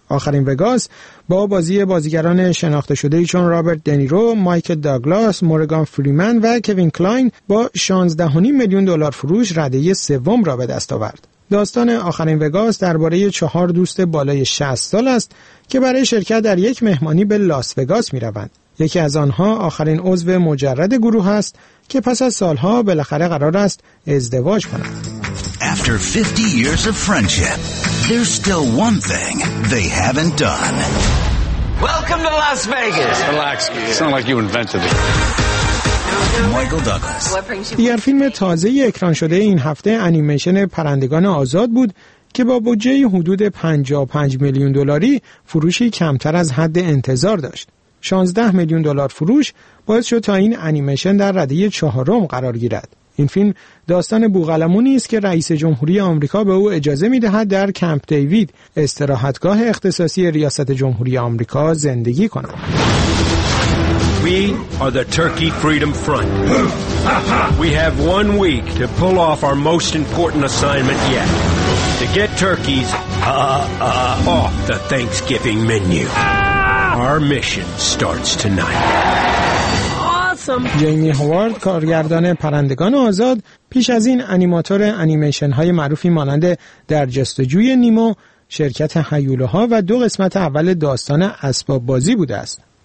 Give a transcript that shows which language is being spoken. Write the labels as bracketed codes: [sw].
[fa] آخرین وگاس با بازی بازیگران شناخته شده چون رابرت دنیرو، مایکل داگلاس، مورگان فریمن و کوین کلاین با 16.5 میلیون دلار فروش رده سوم را به دست آورد. داستان آخرین وگاس درباره چهار دوست بالای 60 سال است که برای شرکت در یک مهمانی به لاس وگاس می روند. یکی از آنها آخرین عضو مجرد گروه است که پس از سالها بالاخره قرار است ازدواج کند. [en] After 50 years of friendship, there's still one thing they haven't done. Welcome to Las Vegas. Relax. It's not like you invented it. [fa] دیگر فیلم تازه‌ای اکران شده این هفته انیمیشن پرندگان آزاد بود که با بودجه حدود 55 میلیون دلاری فروشی کمتر از حد انتظار داشت. 16 میلیون دلار فروش باعث شد تا این انیمیشن در رده چهارم قرار گیرد. این فیلم داستان بوغلمونی است که رئیس جمهوری آمریکا به او اجازه می‌دهد در کمپ دیوید، استراحتگاه اختصاصی ریاست جمهوری آمریکا، زندگی کند. [en] We are the Turkey Freedom Front. We have one week to pull off our most important assignment yet. To get turkeys off the Thanksgiving menu. Our mission starts tonight. Awesome. [fa] جیمی هوارد، کارگردان پرندگان آزاد، پیش از این انیماتور انیمیشن های معروفی مانند در جستجوی نیمو، شرکت هیولوها و دو قسمت اول داستان اسباب بازی بوده است.